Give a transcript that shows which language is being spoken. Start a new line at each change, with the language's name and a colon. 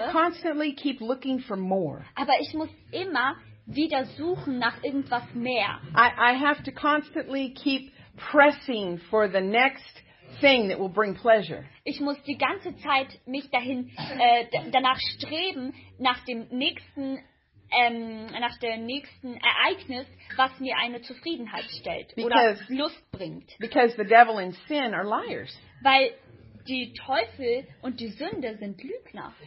English: To constantly keep looking for more.
German: Aber ich muss immer wieder suchen nach irgendwas mehr.
English: I have to constantly keep pressing for the next thing that will bring pleasure.
German: Ich muss die ganze Zeit mich dahin danach streben nach dem nächsten Ereignis, was mir eine Zufriedenheit stellt
English: because,
German: oder Lust bringt.
English: Because the devil and sin are liars.
German: Weil die Teufel und die Sünde sind Lügner.